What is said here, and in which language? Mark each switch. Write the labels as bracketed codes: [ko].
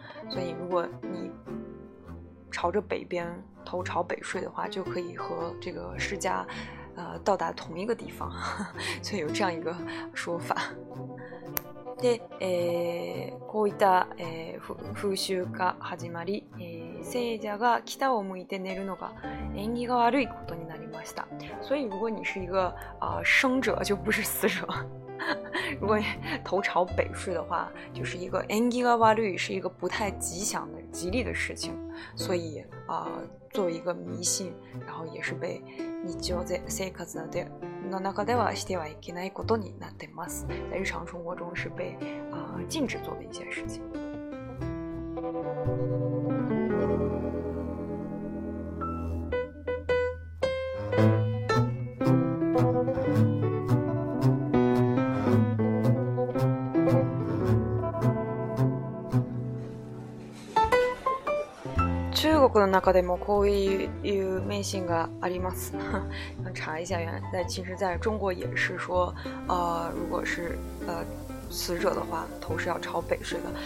[zh] 所以如果你朝着北边头朝北睡的话，就可以和这个释迦到达同一个地方。所以有这样一个说法。 [ja] で、こういった、風習が始まり、聖者が北を向いて寝るのが縁起が悪いことになりました。 [zh] 所以如果你是一个生者，就不是死者。如果头朝北睡的话，就是一个 [ja] engi ga waru， [zh] 是一个不太吉祥的吉利的事情。所以作为一个迷信，然后也是被日常生活的中 [ja] ではしてはいけないことになってます。 [zh] 在日常生活中是被禁止做的一件事情。 [ja] 中国の中でもこういう迷信があります。 [zh] 想查一下，原来其实在中国也是说，如果是死者的话，头是要朝北睡的。